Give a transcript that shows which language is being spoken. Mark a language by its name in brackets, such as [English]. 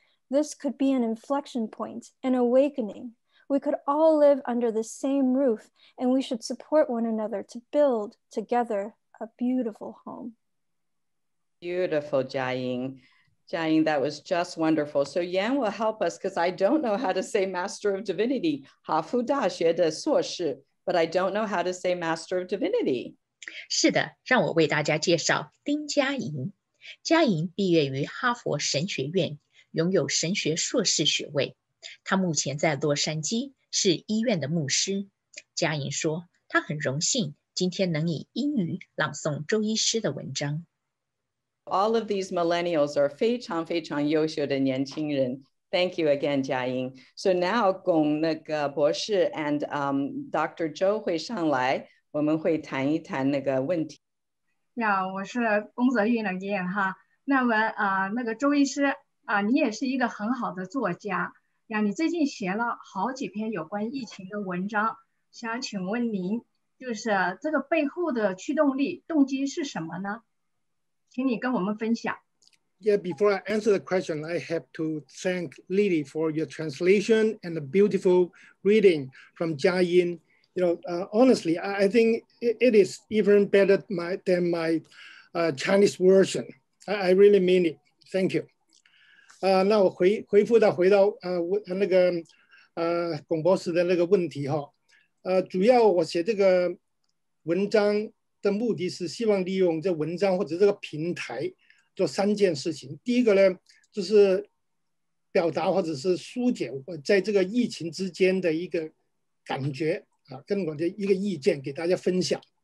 [English] This could be an inflection point, an awakening. We could all live under the same roof, and we should support one another to build together a beautiful home. Beautiful, Jiaying. Jiaying, that was just wonderful. So Yan will help us because I don't know how to say Master of Divinity, [Chinese] Hafu Da Xue De Suo Shi, [English] but I don't know how to say Master of Divinity. [Chinese] 是的，让我为大家介绍丁嘉莹。嘉莹毕业于哈佛神学院，拥有神学硕士学位。她目前在洛杉矶是医院的牧师。嘉莹说，她很荣幸今天能以英语朗诵周医师的文章。 [English] All of these millennials are [Chinese] 非常非常优秀的年轻人。 [English] Thank you again, Jiaying. So now, [Chinese] 龚那个博士 [English] and Dr. [Chinese] Zhou 会上来，我们会谈一谈那个问题。呀，我是龚泽韵的爷爷哈。那么那个周医师啊，你也是一个很好的作家呀。你最近写了好几篇有关疫情的文章，想请问您，就是这个背后的驱动力、动机是什么呢？请你跟我们分享。 [English] Yeah, before I answer the question, I have to thank Lily for your translation and the beautiful reading from Jiaying. You know, honestly, I think it is even better than my Chinese version. I really mean it. Thank you. [Chinese] 那我回到那个龚博士的那个问题哈。主要我写这个文章的目的是希望利用这文章或者这个平台。做三件事情，第一个呢，就是表达或者是疏解我在这个疫情之间的一个感觉啊，跟我的一个意见给大家分享。